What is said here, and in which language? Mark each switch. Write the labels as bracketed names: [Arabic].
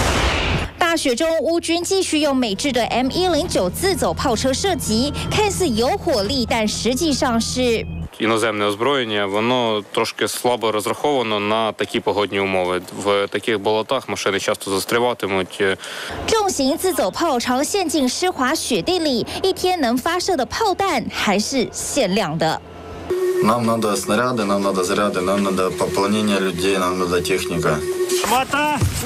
[Chinese] 士气虽然高昂，但是兵再厉害，没有武器弹药，这仗要怎么打下去？大雪中，乌军继续用美制的 M109 自走炮车射击，看似有火力，但实际上是。 [Ukrainian] Іноземне озброєння, воно трошки слабо розраховано на такі погодні умови. В таких болотах машини часто застріватимуть. [Chinese] 重型自走炮长陷进湿滑雪地里，一天能发射的炮弹还是限量的。 [Ukrainian] Нам надо снаряди, нам надо заряди, нам надо пополнення людей, нам надо техніка. Хвата!